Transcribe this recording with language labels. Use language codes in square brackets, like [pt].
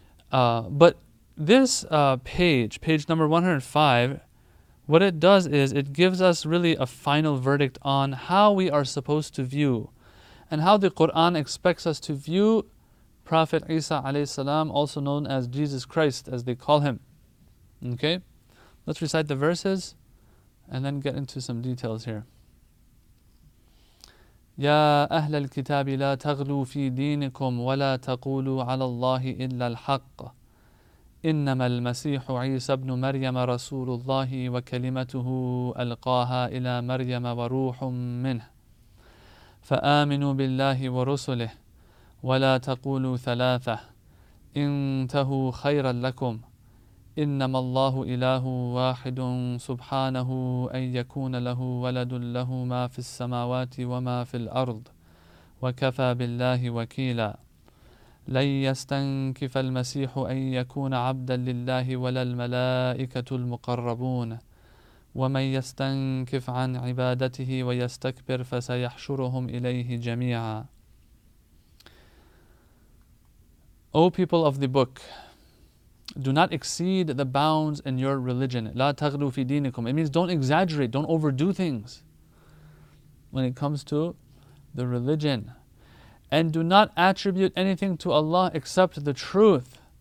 [en] But this page number 105, what it does is it gives us really a final verdict on how we are supposed to view and how the Quran expects us to view Prophet Isa alayhi salam, also known as Jesus Christ, as they call him. Okay? Let's recite the verses and then get into some details here. [ar] يا أهل الكتاب لا تغلوا في دينكم ولا تقولوا على الله إلا الحق إنما المسيح عيسى ابن مريم رسول الله وكلمته ألقاها إلى مريم وروح منه فآمنوا بالله ورسله ولا تقولوا ثلاثة انتهوا خيرا لكم إنما الله إله واحد سبحانه أن يكون له ولد له ما في السماوات وما في الأرض وكفى بالله وكيلا لن يستنكف المسيح أن يكون عبدا لله ولا الملائكة المقربون ومن يستنكف عن عبادته ويستكبر فسيحشرهم إليه جميعا. [en] O people of the book, do not exceed the bounds in your religion. [ar] لا تغلو في دينكم. [en] It means don't exaggerate, don't overdo things when it comes to the religion. And do not attribute anything to Allah except the truth.